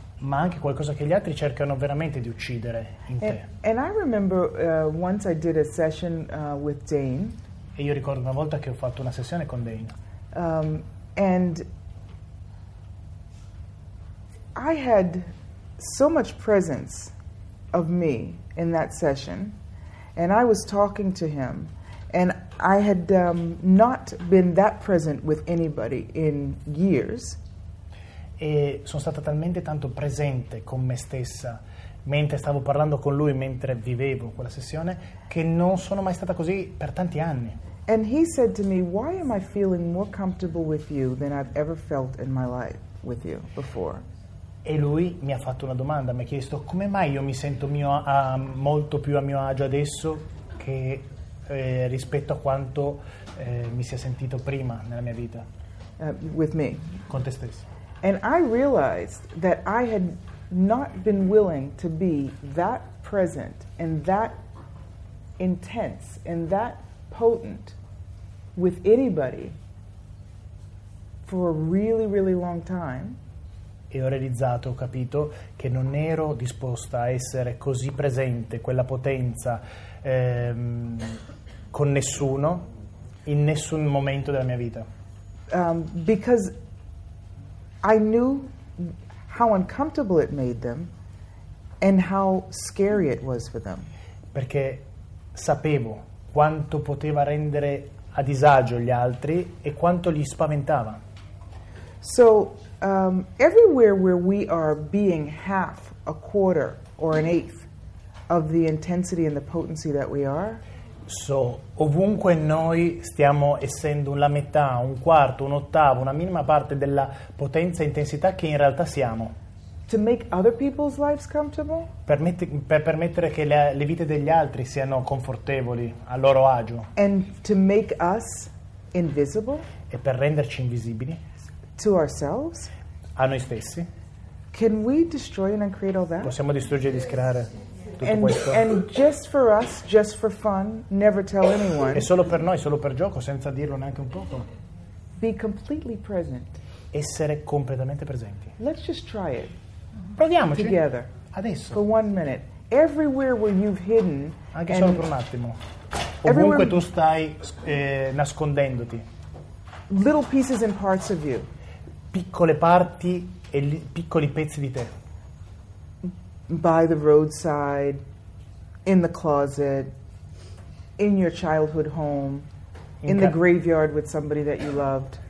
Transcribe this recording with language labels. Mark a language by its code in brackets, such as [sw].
[it] Ma anche qualcosa che gli altri cercano veramente di uccidere in te. [en] And I remember once I did a session with Dane. [it] E io ricordo una volta che ho fatto una sessione con Dane. [en] And I had so much presence of me in that session, and I was talking to him, and I had not been that present with anybody in years. [it] E sono stata talmente tanto presente con me stessa mentre stavo parlando con lui, mentre vivevo quella sessione, che non sono mai stata così per tanti anni. [en] And he said to me, "Why am I feeling more comfortable with you than I've ever felt in my life with you before?" [it] E lui mi ha fatto una domanda, mi ha chiesto: "Come mai io mi sento molto più a mio agio adesso che rispetto a quanto mi sia sentito prima nella mia vita?" [en] With me. [it] Con te stesso. [en] And I realized that I had not been willing to be that present and that intense and that potent with anybody for a really, really long time. [it] E ho realizzato, ho capito, che non ero disposta a essere così presente, quella potenza, con nessuno, in nessun momento della mia vita. [en] Because I knew how uncomfortable it made them and how scary it was for them. [it] Perché sapevo quanto poteva rendere a disagio gli altri e quanto li spaventava. [en] So, everywhere where we are being half, a quarter, or an eighth of the intensity and the potency that we are. [it] So, ovunque noi stiamo essendo la metà, un quarto, un ottavo, una minima parte della potenza e intensità che in realtà siamo. [en] To make other people's lives comfortable? [it] Per permettere che le vite degli altri siano confortevoli, a loro agio. [en] And to make us invisible? [it] E per renderci invisibili. [en] To ourselves? [it] A noi stessi. [en] Can we destroy and uncreate all that? [it] Possiamo distruggere e discreare tutto [en] and, [it] questo? [en] And just for us, just for fun, never tell anyone. [it] E solo per noi, solo per gioco, senza dirlo neanche un poco. [en] Be completely present. [it] Essere completamente presenti. [en] Let's just try it. [it] Proviamoci. [en] Together. [it] Adesso. [en] For one minute. Everywhere where you've hidden. [it] Anche solo per un attimo. Ovunque tu stai nascondendoti. [en] Little pieces and parts of you. [it] Piccole parti e piccoli pezzi di te. [en] By the roadside, in the closet, in your childhood home, in the graveyard with somebody that you loved.